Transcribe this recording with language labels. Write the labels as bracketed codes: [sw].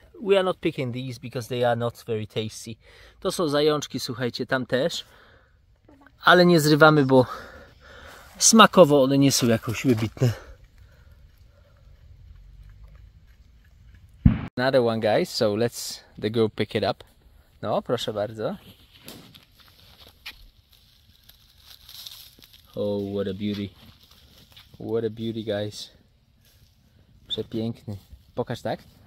[en] We are not picking these because they are not very tasty. [pl] To są zajączki, słuchajcie, tam też. Ale nie zrywamy, bo smakowo one nie są jakoś wybitne. [en] Another one, guys, so let's the girl pick it up. [pl] No, proszę bardzo. [en] Oh, what a beauty. What a beauty, guys. [pl] Przepiękny. Pokaż tak.